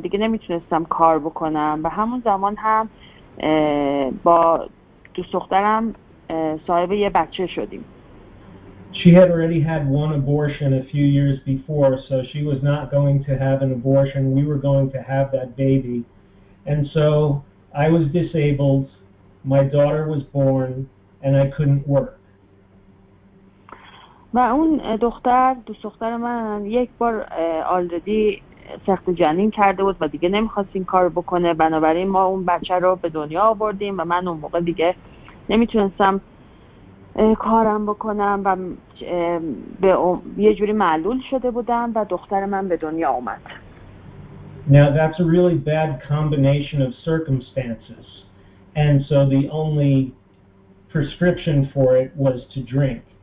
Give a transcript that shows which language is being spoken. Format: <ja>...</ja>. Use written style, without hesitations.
<fa>دیگه نمیتونستم کار بکنم. و همون زمان هم با دوست دخترم صاحب یه بچه شدیم.</fa> <en>She had already had one abortion a few years before, so she was not going to have an abortion. We were going to have that baby. And so I was disabled, my daughter was born, and I couldn't work.</en> <fa>و اون دختر، دوست دختر من، یک بار آلدی سخت جنین کرده بود و دیگه نمیخواست این کار بکنه. بنابراین ما اون بچه رو به دنیا آوردیم و من اون موقع دیگه نمیتونستم کارم بکنم و به یه جوری معلول شده بودم و دختر من به دنیا اومد.</fa> <en>Now that's a really bad combination of circumstances. And so the only prescription for it was to drink.</en>